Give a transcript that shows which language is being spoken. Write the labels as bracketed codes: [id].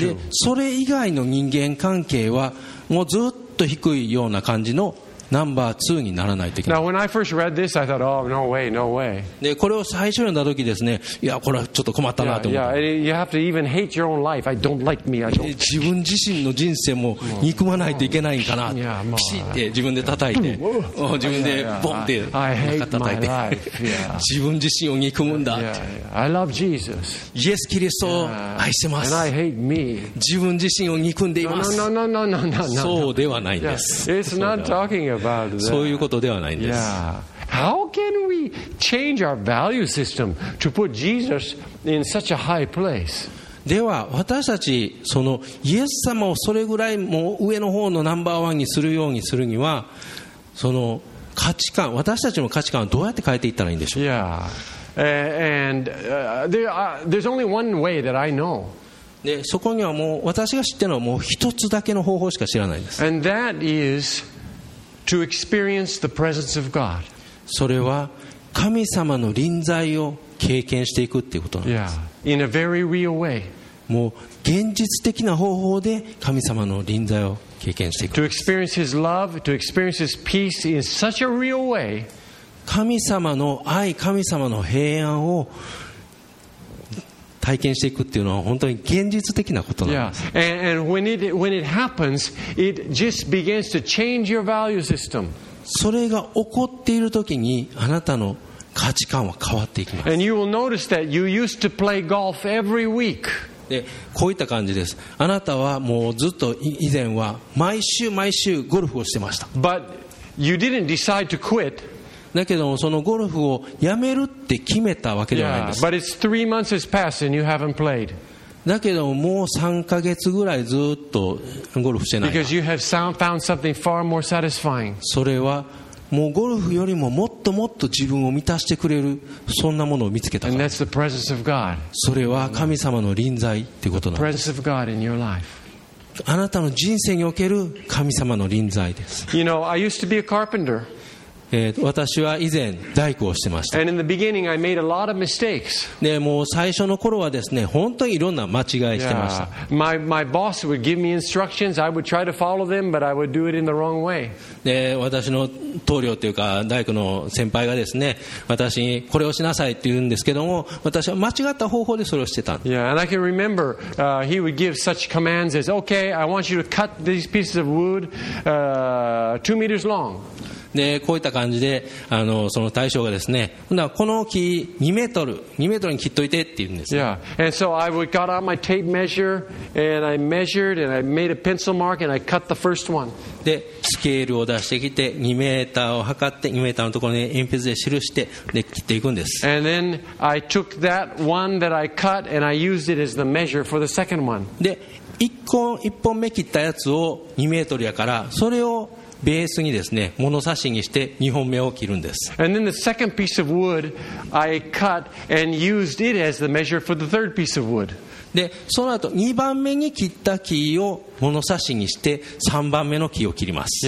[ja] それ以外の人間関係はもうずっと低いような感じのナンバーツーにならないといけない。 [en] Now, when I first read this, I thought, oh, no way, no way. [ja] で、これを最初読んだ時ですね、いや、これはちょっと困ったなと思って。 [en] Yeah, you have to even hate your own life. I don't like me. I don't. [ja] 自分自身の人生も憎まないといけないんかな。ピシって自分で叩いて、自分でボンって叩いて、自分自身を憎むんだ。 [en] I love Jesus. [ja] イエス・キリストを愛してます。 [en] And I hate me. [ja] 自分自身を憎んでいます。 [en] No, no, no, no, no, no. [ja] そうではないんです。 [en] It's not talking. [ja] そういうことではないんです。 [en] Yeah. How can we change our value system to put Jesus in such a high place? [ja] では私たちそのイエス様をそれぐらいもう上の方のナンバーワンにするようにするには、その価値観、私たちの価値観をどうやって変えていったらいいんでしょう。 [en] Yeah. And there's only one way that I know. [ja] で、そこにはもう私が知ってるのはもう一つだけの方法しか知らないんです。 [en] And that isTo experience the presence of God. [ja] それは神様の臨在を経験していくっていうことなんです。 [en] Yeah. In a very real way. [ja] もう現実的な方法で神様の臨在を経験していく。 [en] To experience His love, to experience His peace in such a real way. [ja] 神様の愛、神様の平安を体験していくっていうのは本当に現実的なことなんです。 [en] Yeah. And when it happens, it just begins to change your value system. [ja] それが起こっているときにあなたの価値観は変わっていきます。 [en] And you will notice that you used to play golf every week. [ja] で、こういった感じです。あなたはもうずっと以前は毎週毎週ゴルフをしてました。 [en] But you didn't decide to quit. [ja] だけどもそのゴルフをやめるって決めたわけではないんです。 [en] Yeah, but it's 3 months has passed and you haven't played. [ja] だけどももう3ヶ月ぐらいずっとゴルフしてない。 [en] Because you have found something far more satisfying. [ja] それはもうゴルフよりももっともっと自分を満たしてくれるそんなものを見つけたから。 [en] And that's the presence of God. [ja] それは神様の臨在ってことなんです。 [en] The presence of God in your life. [ja] あなたの人生における神様の臨在です。 [en] You know, I used to be a carpenter. [ja] 私は以前大工をしてました。で、もう最初の頃はですね、本当にいろんな間違いしてました。 [en] Yeah. My boss would give me instructions. I would try to follow them, but I would do it in the wrong way. [ja] で、私の棟梁というか大工の先輩がですね、私にこれをしなさいって言うんですけども、私は間違った方法でそれをしてたんです。 [en] Yeah, and I can remember, he would give such commands as, okay, I want you to cut these pieces of wood, 2 meters long. [ja] でこういった感じでその大将がですね、この木2メートルに切っといてって言うんです。 [en] Yeah. And so I got out my tape measure and I measured and I made a pencil mark and I cut the first one. [ja] でスケールを出してきて2メーターを測って2メーターのところに鉛筆で記してで切っていくんです。 [en] And then I took that one that I cut and I used it as the measure for the second one. [ja] で1本目切ったやつを2メートルやからそれをベースにですね、物差しにして2本目を切るんです。 [en] And then the second piece of wood I cut and used it as the measure for the third piece of wood. [ja] で、その後2番目に切った木を物差しにして3番目の木を切ります。